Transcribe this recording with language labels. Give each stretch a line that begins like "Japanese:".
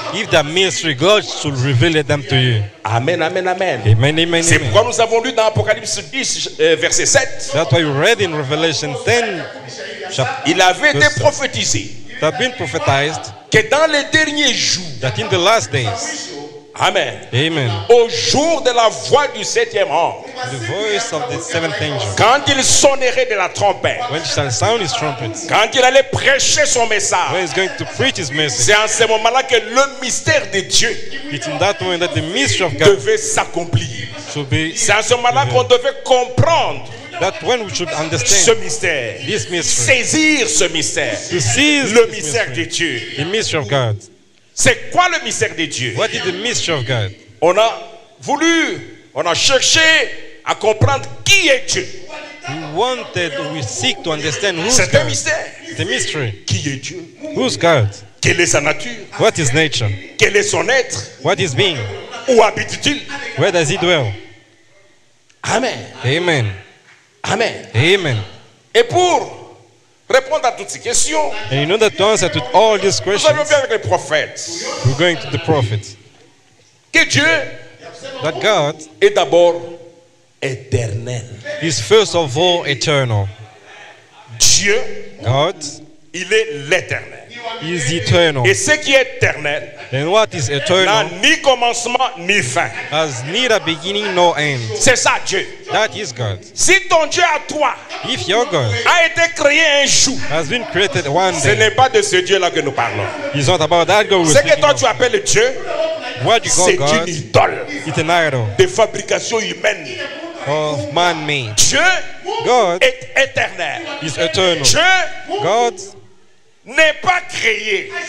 English: If the mystery God should reveal them to you. Amen, amen, amen. Amen, amen.
French: C'est pourquoi nous avons lu dans Apocalypse 10, verset 7.
English: That's why you read in Revelation 10.
French: Il avait été prophétisé.
English: That been prophesied.
French: Que dans les derniers jours.
English: That in the last days. Amen. Amen.
French: Au jour de la voix du septième ange.
English: The voice of the seventh angel.
French: Quand il sonnerait de la trompette.
English: When he shall sound his trumpet.
French: Quand il allait prêcher son message.
English: When he's going to preach his message.
French: C'est en ce moment-là que le mystère de Dieu.
English: It's in that moment that the mystery of God
French: devait s'accomplir.
English: Should be.
French: C'est en ce moment-là qu'on devait comprendre.
English: That when we should understand
French: ce mystère.
English: This mystery.
French: Saisir ce mystère.
English: To seize
French: le mystère de Dieu.
English: The mystery of God.
French: C'est quoi le mystère de Dieu?
English: What is the mystery of God?
French: On a voulu, on a cherché à comprendre qui est Dieu.
English: We wanted, we seek to understand who's
French: c'est
English: God.
French: C'est un mystère.
English: The mystery.
French: Qui est Dieu?
English: Who's God?
French: Quelle est sa nature?
English: What is nature?
French: Quel est son être?
English: What is being?
French: Où habite-t-il?
English: Where does he dwell? Amen. Amen. Amen. Amen.
French: Et pour répondre à toutes ces questions.
English: And you know that to answer to all these questions.
French: Nous allons avec les prophètes.
English: We're going to the prophets.
French: Que Dieu.
English: That God.
French: Est d'abord éternel.
English: Is first of all eternal.
French: Dieu.
English: God.
French: Il est l'éternel.
English: He is eternal.
French: Et ce qui est éternel.
English: And what is eternal.
French: N'a ni commencement ni fin.
English: Has neither beginning nor end.
French: C'est ça Dieu.
English: That is God.
French: Si ton Dieu à toi.
English: If your God.
French: A été créé un jour.
English: Has been created one day.
French: Ce n'est pas de ce Dieu là que nous parlons.
English: It's not about that God.
French: Ce que toi tu appelles Dieu.
English: What you call God.
French: C'est une idole.
English: It's an idol.
French: De fabrication humaine.
English: Of man-made.
French: Dieu.
English: God.
French: Est éternel.
English: Is eternal.
French: Dieu.
English: God.
French: N'est pas créé.